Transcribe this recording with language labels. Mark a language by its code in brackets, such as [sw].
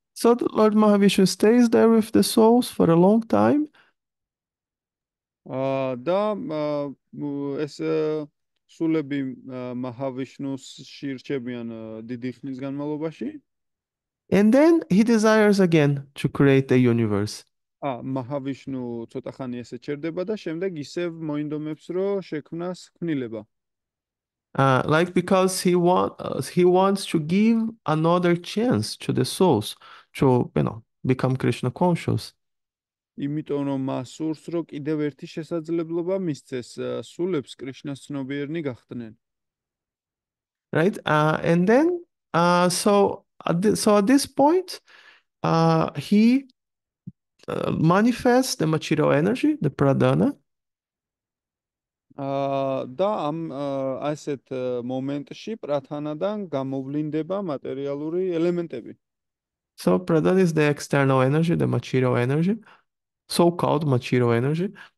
[en] So the Lord Mahavishnu stays there with the souls for a long time. [ka] და ეს სულები მაჰავიშნუს შირჩებიან დიდი ხნის განმავლობაში. [en] And then he desires again to create a universe. [ka] ა მაჰავიშნუ ცოტა ხანი ესე ჩერდება და შემდეგ ისევ მოინდომებს რომ შექმნას ქმნილება. [en] Like because he wants to give another chance to the souls to, you know, become Krishna conscious. [ka] იმიტომ რომ მას სურს რომ კიდევ ერთი შესაძლებლობა მისცეს სულებს კრიშნას ცნობიერნი გახდნენ. [en] Right? And then so at this point he manifests the material energy, the pradana. [ka] და ამ ასეთ მომენტში პრათანადან გამოვლინდება მატერიალური ელემენტები. [en] So pradana is the external energy, the material energy, so-called material energy.